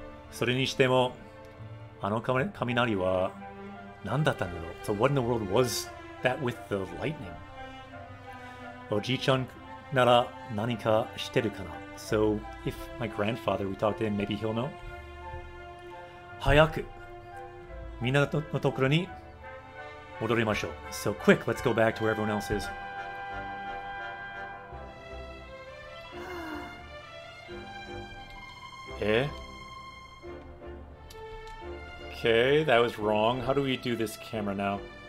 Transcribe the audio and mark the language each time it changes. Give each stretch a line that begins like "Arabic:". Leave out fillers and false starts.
Japanese: それにしても、あの雷は何だったんだろう?
English: So what in the world was that with the lightning?
Japanese: おじいちゃんなら何かしてるかな?
English: So if my grandfather, we talked to him, maybe he'll know?
Japanese: 早く、みんなのところに戻りましょう。
English: So quick, let's go back to where everyone else is. Okay, that was wrong. How do we do this camera now?